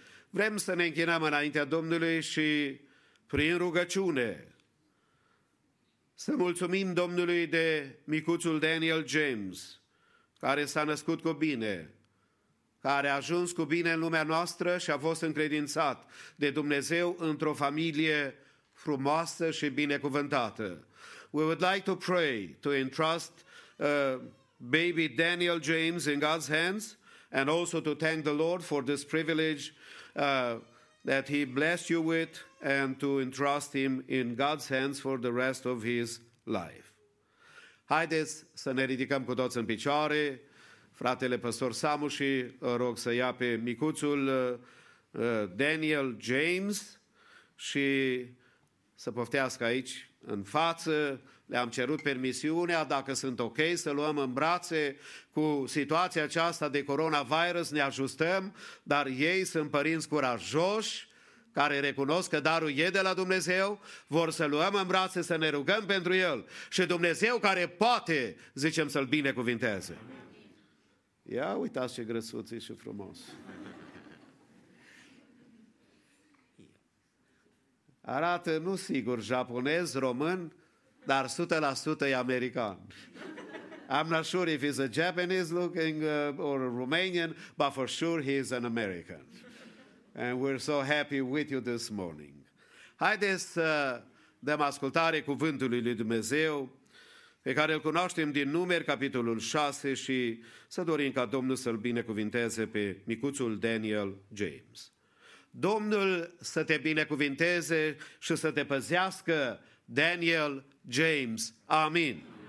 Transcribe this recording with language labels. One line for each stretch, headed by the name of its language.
Romanian: Vrem să ne închinăm înaintea Domnului și prin rugăciune să mulțumim Domnului de micuțul Daniel James, care s-a născut cu bine, care a ajuns cu bine în lumea noastră și a fost încredințat de Dumnezeu într-o familie frumoasă și binecuvântată.
English: We would like to pray to entrust baby Daniel James in God's hands and also to thank the Lord for this privilege that he blessed you with and to entrust him in God's hands for the rest of his life.
Romanian: Haideți să ne ridicăm cu toți în picioare. Fratele păstor Samu și rog să ia pe micuțul Daniel James și să poftească aici în față, le-am cerut permisiunea, dacă sunt ok, să luăm în brațe cu situația aceasta de coronavirus, ne ajustăm, dar ei sunt părinți curajoși, care recunosc că darul e de la Dumnezeu, vor să luăm în brațe, să ne rugăm pentru el. Și Dumnezeu care poate, zicem, să-l binecuvinteze. Ia uitați ce grăsuț e și frumos. Arată, nu sigur, japonez, român, dar 100% e american.
English: I'm not sure if he's a Japanese looking or a Romanian, but for sure he is an American. And we're so happy with you this morning.
Romanian: Haideți să dăm ascultare cuvântului lui Dumnezeu, pe care îl cunoaștem din Numeri, capitolul 6, și să dorim ca Domnul să-l binecuvinteze pe micuțul Daniel James. Domnul să te binecuvinteze și să te păzească, Daniel James. Amin.